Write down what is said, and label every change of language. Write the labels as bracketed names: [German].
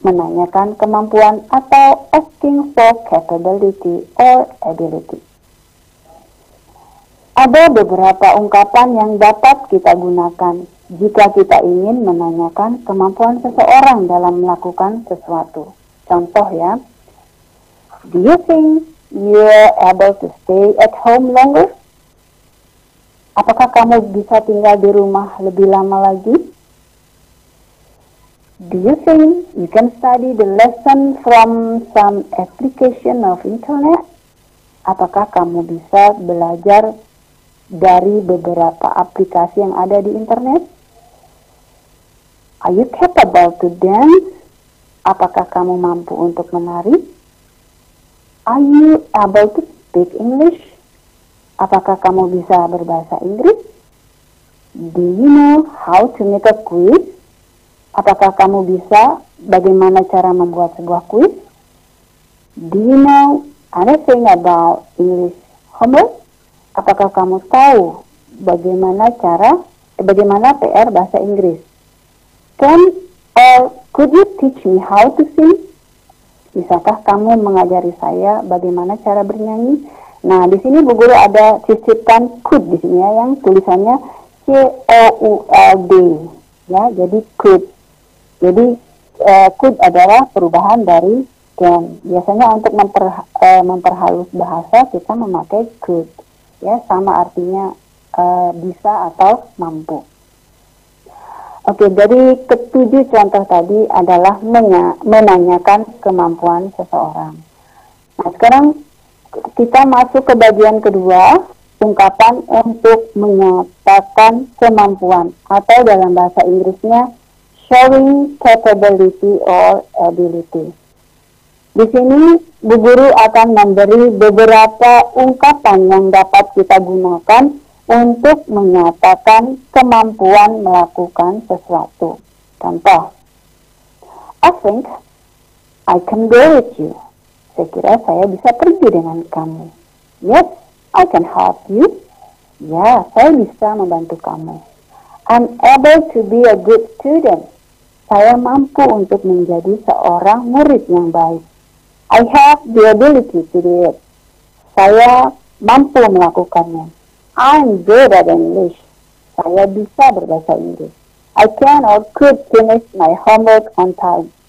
[Indonesian] Menanyakan kemampuan atau [English] asking for capability or ability. [Indonesian] Ada beberapa ungkapan yang dapat kita gunakan jika kita ingin menanyakan kemampuan seseorang dalam melakukan sesuatu. Contoh ya, [English] do you think you're able to stay at home longer? [Indonesian] Apakah kamu bisa tinggal di rumah lebih lama lagi? [English] Do you think you can study the lesson from some application of internet? [Indonesian] Apakah kamu bisa belajar dari beberapa aplikasi yang ada di internet? [English] Are you capable to dance? [Indonesian] Apakah kamu mampu untuk menari? [English] Are you able to speak English? [Indonesian] Apakah kamu bisa berbahasa Inggris? [English] Do you know how to make a quiz? [Indonesian] Apakah kamu bisa bagaimana cara membuat sebuah quiz? [English] Do you know anything about English homework? [Indonesian] Apakah kamu tahu bagaimana bagaimana PR bahasa Inggris? [English] Can or could you teach me how to sing? [Indonesian] Bisakah kamu mengajari saya bagaimana cara bernyanyi? Nah, di sini Bu Guru ada sisipkan could di sini ya, yang tulisannya C-O-U-L-D. Ya, jadi could. Jadi, could adalah perubahan dari can. Biasanya untuk memperhalus bahasa, kita memakai could. Ya, sama artinya bisa atau mampu. Oke, dari ketujuh contoh tadi adalah menanyakan kemampuan seseorang. Nah, sekarang kita masuk ke bagian kedua, ungkapan untuk menyatakan kemampuan, atau dalam bahasa Inggrisnya, [English] showing capability or ability. [Indonesian] Di sini, Bu Guru akan memberi beberapa ungkapan yang dapat kita gunakan untuk menyatakan kemampuan melakukan sesuatu. Contoh, [English] I think I can go with you. [Indonesian] Saya kira saya bisa pergi dengan kamu. [English] Yes, I can help you. [Indonesian] Ya, saya bisa membantu kamu. [English] I'm able to be a good student. [Indonesian] Saya mampu untuk menjadi seorang murid yang baik. [English] I have the ability to do it. [Indonesian] Saya mampu melakukannya. [English] I'm good at English. [Indonesian] Saya bisa berbahasa Inggris. [English] I can or could finish my homework on time.